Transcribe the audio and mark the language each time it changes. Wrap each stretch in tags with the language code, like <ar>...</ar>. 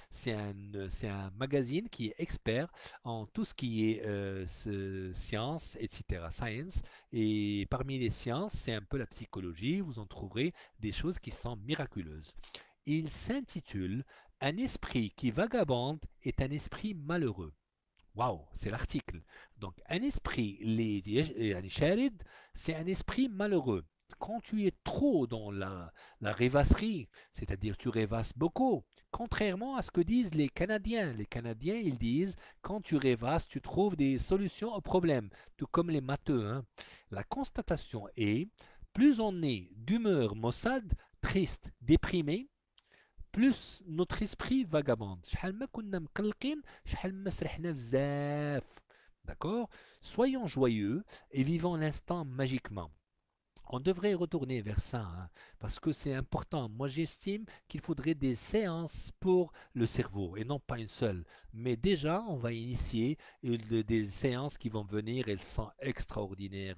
<fr>C'est un magazine qui est expert en tout ce qui est science, etc. Science. Et parmi les sciences, c'est un peu la psychologie. Vous en trouverez des choses qui sont miraculeuses. Il s'intitule Un esprit qui vagabonde est un esprit malheureux. واو، سي لارتيكل. دونك ان اسبري لي</fr> <ar>يعني شارد،</ar> <fr>سي ان اسبري مالوغو. Quand tu es trop dans la rêvasserie, c'est-à-dire tu rêvasses beaucoup, contrairement à ce que disent les Canadiens. Les Canadiens, ils disent, quand tu rêvasses, tu trouves des solutions aux problèmes, tout comme les matheux, hein. La constatation est, plus on est d'humeur maussade, triste, déprimé, plus notre esprit vagabonde.</fr> <ar>شحال ما كنا مقلقين، شحال ما سرحنا بزاف.</ar> <fr>D'accord? Soyons joyeux et vivons l'instant magiquement. On devrait retourner vers ça, hein, parce que c'est important. Moi, j'estime qu'il faudrait des séances pour le cerveau, et non pas une seule. Mais déjà, on va initier des séances qui vont venir, elles sont extraordinaires.</fr>